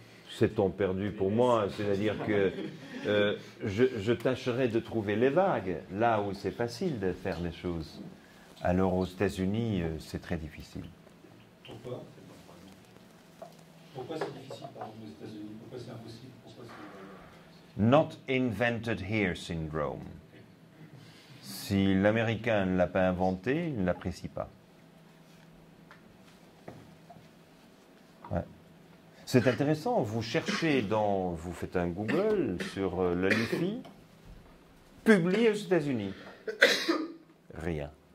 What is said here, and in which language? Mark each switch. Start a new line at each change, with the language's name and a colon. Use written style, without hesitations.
French: C'est temps perdu pour moi, c'est-à-dire que je tâcherai de trouver les vagues là où c'est facile de faire les choses. Alors aux États-Unis, c'est très difficile. Pourquoi c'est difficile, par exemple, aux États-Unis? Pourquoi c'est impossible? Pourquoi c'est...
English: Not invented here syndrome.
French: Si l'Américain ne l'a pas inventé, il ne l'apprécie pas. C'est intéressant, vous cherchez vous faites un Google sur le LIFI, publié aux États-Unis. Rien.